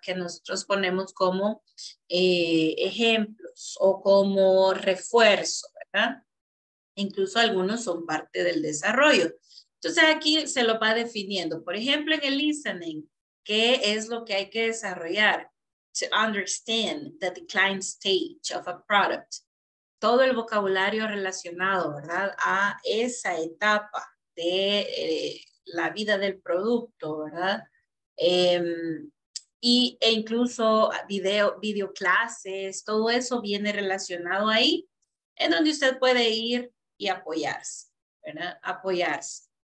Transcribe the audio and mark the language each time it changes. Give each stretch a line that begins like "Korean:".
Spanish: Que nosotros ponemos como ejemplos o como refuerzo, ¿verdad? Incluso algunos son parte del desarrollo. Entonces aquí se lo va definiendo. Por ejemplo, en el listening, ¿qué es lo que hay que desarrollar?
English: To understand the decline stage of a product.
Spanish: Todo el vocabulario relacionado, ¿verdad? A esa etapa de la vida del producto, ¿verdad? E incluso video clases, todo eso viene relacionado ahí, en donde usted puede ir y apoyarse, ¿verdad? Apoyarse.